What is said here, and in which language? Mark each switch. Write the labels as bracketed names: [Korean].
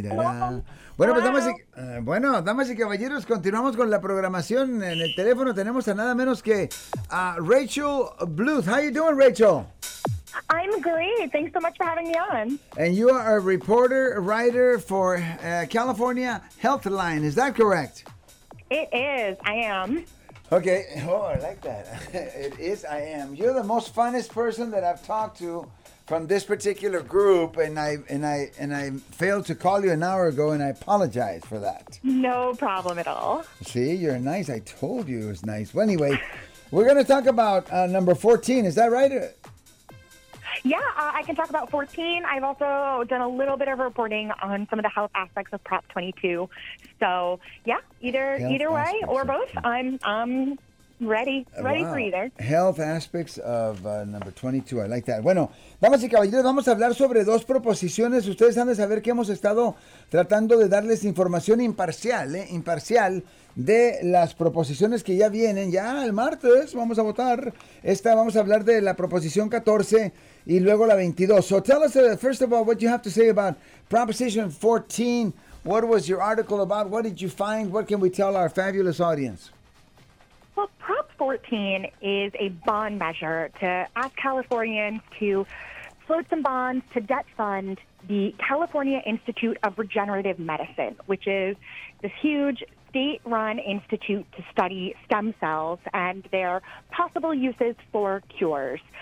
[Spanish] Bueno, pues damas y caballeros, continuamos con la programación. En el teléfono tenemos a nada menos que a Rachel Bluth. [English] How you doing, Rachel? I'm great. Thanks so much for having me on. And you are a reporter, writer for California Healthline. Is that correct? It is. I am. Okay. Oh, I like that. It is. I am. You're the most funnest person that I've talked to from this particular group, and I failed to call you an hour ago, and I apologize for that. No problem at all. See, you're nice. I told you it was nice. Well, anyway, we're going to talk about number 14. Is that right? Yeah, I can talk about 14. I've also done a little bit of reporting on some of the health aspects of Prop 22. So, yeah, either way or both, I'm ready wow. For either. Health aspects of number 22. I like that. [Spanish] Bueno, damas y caballeros, vamos a hablar sobre dos proposiciones. Ustedes han de saber que hemos estado tratando de darles información imparcial, imparcial de las proposiciones que ya vienen. Ya el martes vamos a votar. Esta vamos a hablar de la proposición 14 y luego la 22. [English] So tell us, first of all, what you have to say about Proposition 14. What was your article about? What did you find? What can we tell our fabulous audience? Well, Prop 14 is a bond measure to ask Californians to float some bonds to debt fund the California Institute of Regenerative Medicine, which is this huge state-run institute to study stem cells and their possible uses for cures.